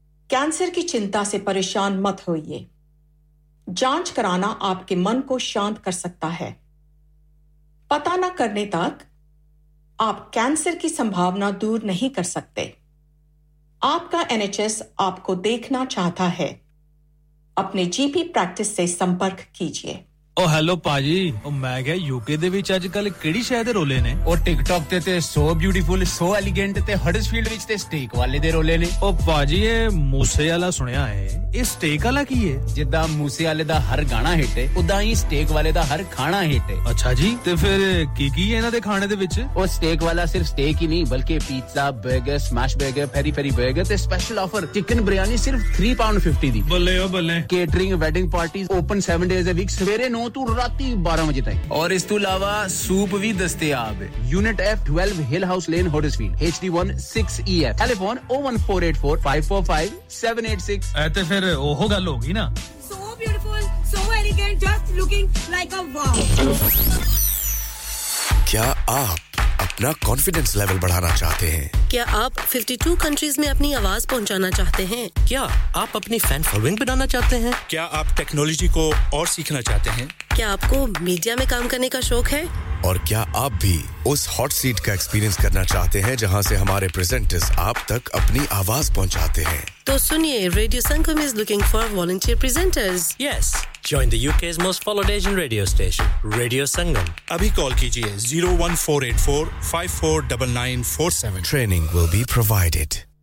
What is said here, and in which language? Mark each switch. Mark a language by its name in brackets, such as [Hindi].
[Hindi] Cancer की चिंता से परेशान मत होइए। जांच कराना आपके मन को शांत कर सकता है। पता न करने तक आप कैंसर की संभावना दूर नहीं कर सकते। आपका NHS आपको देखना चाहता है। अपने GP प्रैक्टिस से संपर्क कीजिए। [Punjabi] ਓ ਹੈਲੋ ਪਾਜੀ ਓ ਮੈਂ ਕਿਹਾ ਯੂਕੇ ਦੇ ਵਿੱਚ ਅੱਜ ਕੱਲ ਕਿਹੜੀ ਸ਼ਹਿਰ ਦੇ ਰੋਲੇ ਨੇ ਓ ਟਿਕਟੋਕ ਤੇ [English] so beautiful so elegant [Punjabi] ਤੇ ਹਡਸਫੀਲਡ ਵਿੱਚ ਤੇ ਸਟੇਕ ਵਾਲੇ ਦੇ ਰੋਲੇ ਨੇ ਓ ਪਾਜੀ ਇਹ ਮੂਸੇ ਵਾਲਾ ਸੁਣਿਆ ਹੈ ਇਹ ਸਟੇਕ ਵਾਲਾ ਕੀ ਹੈ ਜਿੱਦਾਂ ਮੂਸੇ ਵਾਲੇ ਦਾ ਹਰ ਗਾਣਾ ਹਿੱਟ ਹੈ ਉਦਾਂ ਹੀ ਸਟੇਕ ਵਾਲੇ ਦਾ ਹਰ ਖਾਣਾ ਹਿੱਟ ਹੈ ਅੱਛਾ ਜੀ ਤੇ ਫਿਰ ਕੀ ਹੈ ਇਹਨਾਂ ਦੇ ਖਾਣੇ ਦੇ ਵਿੱਚ ਓ ਸਟੇਕ ਵਾਲਾ ਸਿਰਫ ਸਟੇਕ ਹੀ ਨਹੀਂ ਬਲਕਿ pizza burger smash burger ferry ferry burger ਤੇ ਸਪੈਸ਼ਲ ਆਫਰ ਚਿਕਨ ਬਿਰਿਆਨੀ ਸਿਰਫ £3.50 ਦੀ ਬੱਲੇ ਓ ਬੱਲੇ [English] catering wedding parties open 7 days a week [Punjabi] ਸਵੇਰੇ 9 ਤੋਂ ਰਾਤੀ 12 ਵਜੇ ਤੱਕ ਔਰ ਇਸ ਤੋਂ ਇਲਾਵਾ ਸੂਪ ਵੀ ਦਸਤਿਆਬ ਯੂਨਿਟ ਐਫ 12 ਹਿਲ house lane Huddersfield HD16EF telephone 01484545786 ਐ ਤੇ ਫਿਰ ਉਹ ਗੱਲ ਹੋ ਗਈ ਨਾ [English] so beautiful so elegant just looking like a wow [Punjabi] ਕੀ ਆਪ [Hindi] अपना कॉन्फिडेंस लेवल बढ़ाना चाहते हैं क्या आप 52 कंट्रीज में अपनी आवाज पहुंचाना चाहते हैं क्या आप अपनी फैन फॉलोइंग बनाना चाहते हैं क्या आप टेक्नोलॉजी को और सीखना चाहते हैं क्या आपको मीडिया में काम करने का शौक है और क्या आप भी उस हॉट सीट का एक्सपीरियंस करना चाहते हैं जहां से हमारे प्रेजेंटर्स आप तक अपनी आवाज पहुंचाते हैं तो सुनिए [English] Radio Sangam is looking for volunteer presenters yes Join the UK's most followed Asian radio station, Radio Sangam. [Hindi] Abhi call kijiye 01484-549947. [English] Training will be provided.